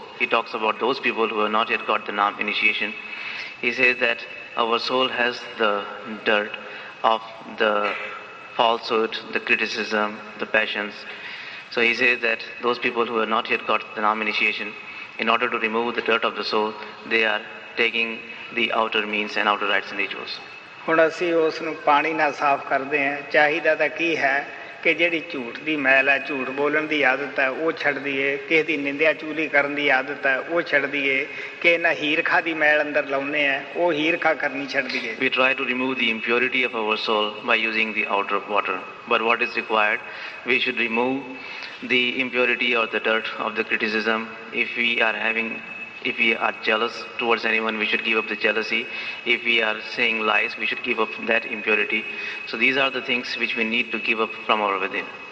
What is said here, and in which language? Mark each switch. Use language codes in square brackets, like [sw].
[en] He talks about those people who have not yet got the Naam initiation. He says that our soul has the dirt of the falsehood, the criticism, the passions. So he says that those people who have not yet got the Naam initiation, in order to remove the dirt of the soul, they are taking the outer means and outer rites and rituals. [pa] ਹੁਣ ਅਸੀਂ ਉਸ ਨੂੰ ਪਾਣੀ ਨਾਲ ਸਾਫ਼ ਕਰਦੇ ਹਾਂ, ਚਾਹੀਦਾ ਤਾਂ ਕੀ ਹੈ ਕਿ ਜਿਹੜੀ ਝੂਠ ਦੀ ਮੈਲ ਹੈ, ਝੂਠ ਬੋਲਣ ਦੀ ਆਦਤ ਹੈ ਉਹ ਛੱਡ ਦਈਏ, ਕਿਸੇ ਦੀ ਨਿੰਦਿਆ ਚੂਲੀ ਕਰਨ ਦੀ ਆਦਤ ਹੈ ਉਹ ਛੱਡ ਦਈਏ, ਕਿ ਇਹਨਾਂ ਹੀਰਖਾ ਦੀ ਮੈਲ ਅੰਦਰ ਲਾਉਂਦੇ ਹਾਂ ਉਹ ਹੀਰਖਾ ਕਰਨੀ ਛੱਡ ਦਈਏ। [en] We try to remove the impurity of our soul by using the outer water, but what is required, we should remove the impurity or the dirt of the criticism. If we are jealous towards anyone, we should give up the jealousy. If we are saying lies, we should give up that impurity. So these are the things which we need to give up from our within.